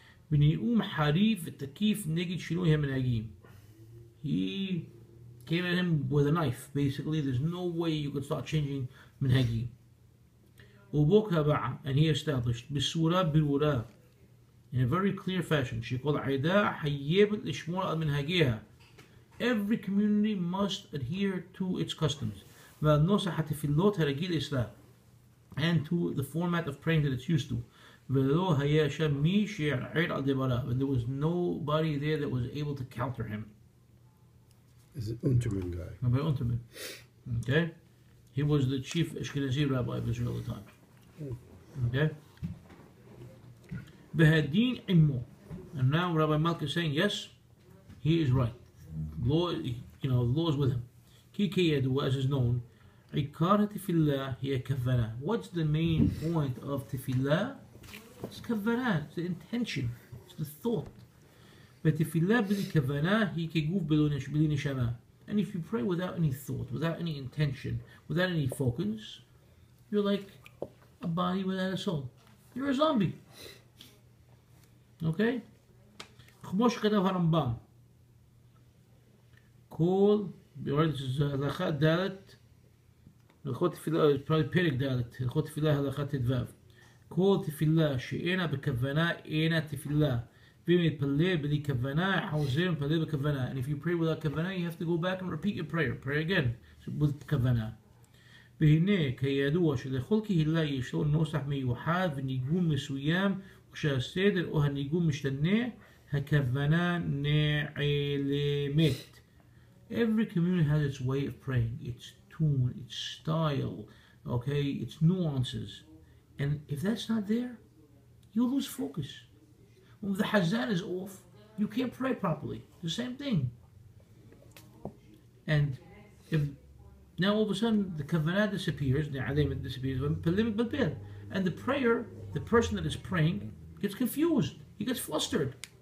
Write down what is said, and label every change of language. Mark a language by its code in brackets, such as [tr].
[he] בנאום חריף ותקיף נגד שינוי המנהגים. [en] He came at him with a knife, basically. There's no way you could start changing מנהגים. [he] ובו קבע, and he established, בסורה ברורה, in a very clear fashion, שכל עדה חייבת לשמור על מנהגיה. [en] Every community must adhere to its customs. [he] והנוסח התפילות הרגיל ישראל. [en] And to the format of praying that it's used to. [he] ולא היה שם מי שיערער על דבריו. [en] And there was nobody there that was able to counter him. Is it Unterman guy? Rabbi Unterman. Okay. He was the chief Ashkenazi rabbi of Israel at the time. Okay. והדין עמו. And now Rabbi Malka is saying, yes, he is right. Law, you know, the law is with him. [he] כי כידוע, as is known, עיקר התפילה היא הכוונה. [en] What's the main point of תפילה? It's kavana, it's the intention, it's the thought. [he] ותפילה בלי כוונה היא כגוף בלי נשמה. [en] And if you pray without any thought, without any intention, without any focus, you're like a body without a soul. You're a zombie. Okay? כמו שכתב הרמב״ם. [he] כל, this is הלכה דלת, הלכות תפילה, it's probably פרק דלת, הלכות תפילה הלכה תדבב. כל תפילה שאינה בכוונה אינה תפילה ואם יתפלל בלי כוונה חוזר ומתפלל בכוונה and if you pray without כוונה you have to go back and repeat your prayer pray again with כוונה [en] והנה כידוע שלכל קהילה יש לו נוסח מיוחד וניגון מסוים וכשהסדר או הניגון משתנה הכוונה נעלמת every community has its way of praying its tune its style okay its nuances And if that's not there, you lose focus. When the hazan is off, you can't pray properly. The same thing. And if now all of a sudden the kavanah disappears, the alimah disappears, and the prayer, the person that is praying, gets confused. He gets flustered.